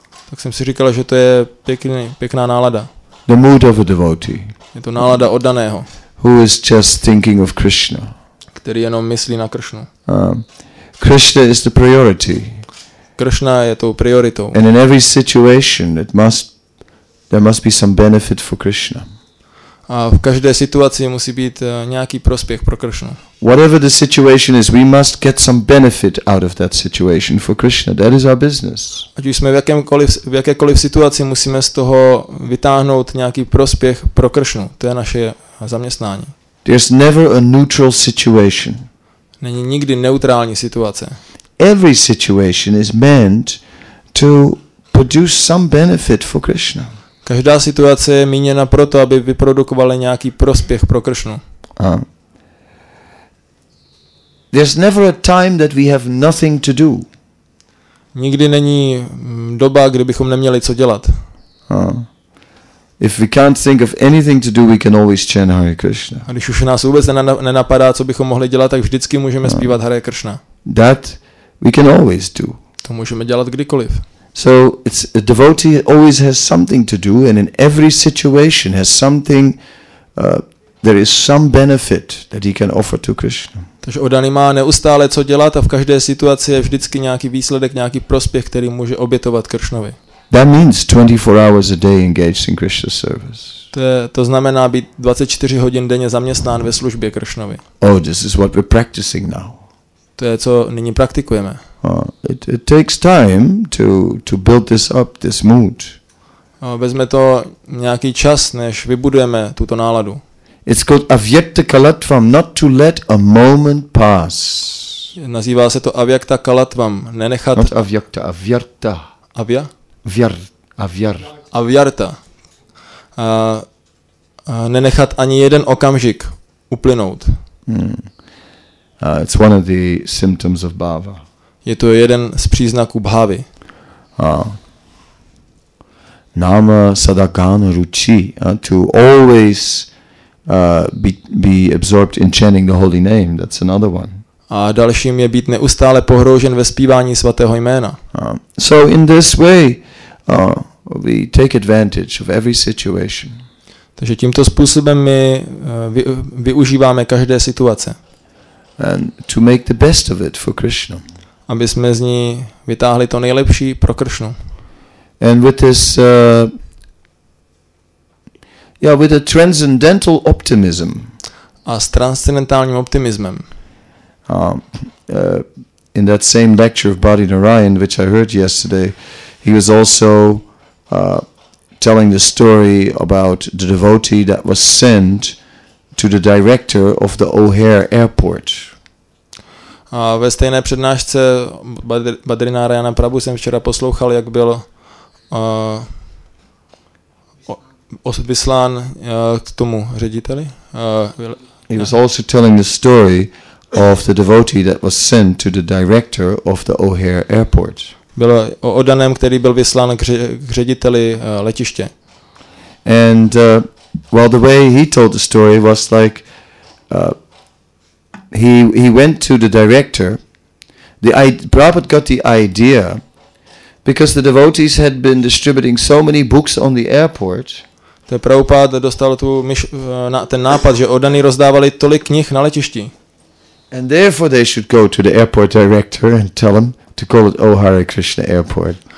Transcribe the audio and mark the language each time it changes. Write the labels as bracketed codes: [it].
[cs] Tak jsem si říkal, že to je pěkná nálada. [en] The mood of a devotee. [cs] Je to nálada oddaného. [en] Who is just thinking of Krishna. [cs] Který jenom myslí na Krishnu. [en] Krishna is the priority. [cs] Krishna je tou prioritou. [en] And in every situation there must be some benefit for Krishna. [cs] A v každé situaci musí být nějaký prospěch pro Krishnu. [en] Whatever the situation is, we must get some benefit out of that situation for Krishna. That is our business. [cs] Ať už jsme v jakékoliv situaci, musíme z toho vytáhnout nějaký prospěch pro Krishnu. To je naše zaměstnání. [en] There's never a neutral situation. [cs] Není nikdy neutrální situace. [en] Every situation is meant to produce some benefit for Krishna. [cs] Každá situace je míněna proto, aby vyprodukovala nějaký prospěch pro Krishnu. [en] There's never a time that we have nothing to do. [cs] Nikdy není doba, kdy bychom neměli co dělat. [en] If we can't think of anything to do, we can always chant Hare Krishna. [cs] A když už nás vůbec nenapadá, co bychom mohli dělat, tak vždycky můžeme zpívat Hare Krishna. [en] That we can always do. [cs] To můžeme dělat kdykoliv. [en] So it's a devotee always has something to do, and in every situation has something. There is some benefit that he can offer to Krishna. [cs] Takže oddaný má neustále co dělat a v každé situaci je vždycky nějaký výsledek, nějaký prospěch, který může obětovat Krishnovi. [en] That means 24 hours a day engaged in Krishna's service. [cs] To znamená být 24 hodin denně zaměstnán ve službě Krishnovi. [en] Oh, this is what we're practicing now. [cs] To je co nyní praktikujeme. [en] It takes time to build this up, this mood. [cs] Vezme to nějaký čas, než vybudujeme tuto náladu. [en] It's called avyakta kalatvam, not to let a moment pass. [cs] Nazývá se to avyakta kalatvam, nenechat. [en] Not avyakta, avyarta. Avya? Avyar. Avyarta. [cs] Nenechat ani jeden okamžik uplynout. [en] It's one of the symptoms of bhava. [cs] Je to jeden z příznaků bhavy. [en] Nama sadagana ruchi, to always be absorbed in chanting the holy name, that's another one. [cs] A dalším je být neustále pohroužen ve zpívání svatého jména. [en] So in this way we take advantage of every situation. [cs] Takže tímto způsobem my využíváme každé situace. [en] And to make the best of it for Krishna. [cs] Aby jsme z ní vytáhli to nejlepší pro Krishnu. [en] And with this with a transcendental optimism. [cs] A s transcendentálním optimismem. [en] In that same lecture of Bhadi Narayan, which I heard yesterday, he was also telling the story about the devotee that was sent to the director of the O'Hare Airport. [cs] A ve stejné přednášce Bhadri Narayana Prabhu jsem včera poslouchal, jak byl vyslán k tomu řediteli. [en] He was also telling the story of the devotee that was sent to the director of the O'Hare Airport. [cs] Byl o oddaném, který byl vyslán k řediteli letiště. [en] And the way he told the story was like he went to the director. Prabhupada got the idea because the devotees had been distributing so many books on the airport. [cs] Ten Prabhupada dostal ten nápad, že oddaný rozdávali tolik knih na letišti. [en] And therefore they should go to the airport director and tell him to call it O'Hare Krishna Airport.